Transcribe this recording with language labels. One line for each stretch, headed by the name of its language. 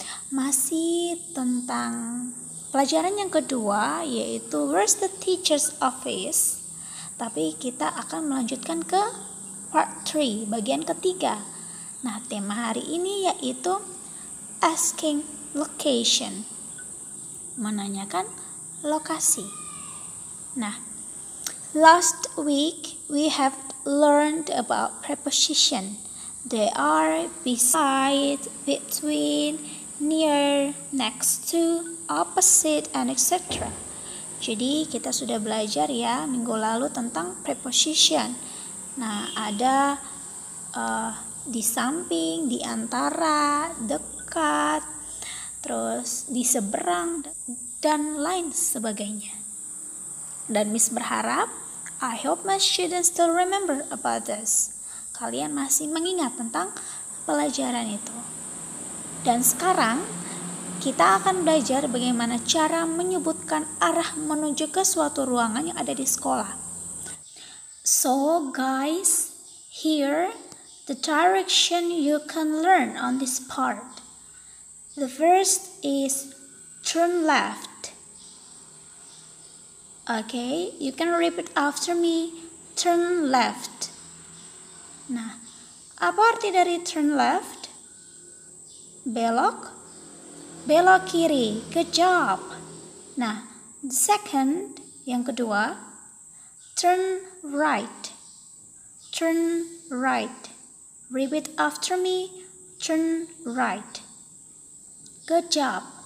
Indonesian: Masih tentang pelajaran yang kedua, yaitu
English: Where's the Teacher's Office?
Indonesian: Tapi kita akan melanjutkan ke part 3, bagian ketiga. Nah, tema hari ini yaitu asking location. Menanyakan lokasi.
English: Nah, last week we have learned about preposition. They are beside, between, near, next to, opposite, and etc.
Indonesian: Jadi kita sudah belajar ya minggu lalu tentang preposition. Nah, ada di samping, di antara, dekat, terus di seberang, dan lain sebagainya. Dan Miss berharap,
English: I hope my students still remember about this.
Indonesian: Kalian masih mengingat tentang pelajaran itu. Dan sekarang, kita akan belajar bagaimana cara menyebutkan arah menuju ke suatu ruangan yang ada di sekolah.
English: So guys, here the direction you can learn on this part. The first is turn left. Okay, you can repeat after me, turn left.
Indonesian: Nah, apa arti dari
English: turn left?
Indonesian: Belok? Belok kiri, good job.
English: Nah, the second,
Indonesian: yang kedua,
English: turn right. Turn right. Repeat after me, turn right. Good job.